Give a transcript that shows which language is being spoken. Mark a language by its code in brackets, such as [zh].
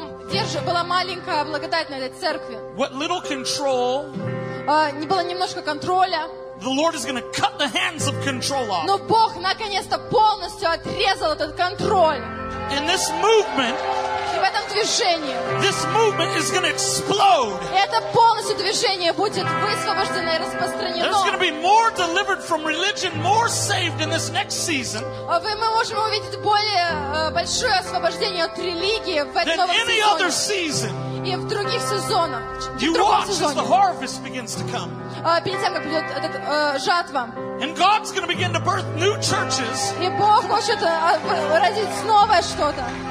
[ru] Держи, была маленькая благодать на этой церкви. [en] What little control? [ru] Не было немножко контроля. [en] The Lord is going to cut the hands of control off. [ru] Но Бог наконец-то полностью отрезал этот контроль. [en] And this movement. [ru] И в этом движении. [en] This movement is going to explode. [ru] Это полностью движение будет высвобождено и распространено. [en] There's going to be more delivered from religion, more saved in this next season. [ru] Мы можем увидеть более большое освобождение от религии в этом новом сезоне. [en] Than any other season. [ru] И в других сезонах. [en] You watch as the harvest begins to come. [ru] Перед тем, как придет этот жатва. [en] And God's going to begin to birth new churches. [ru] И Бог хочет родить новое что-то.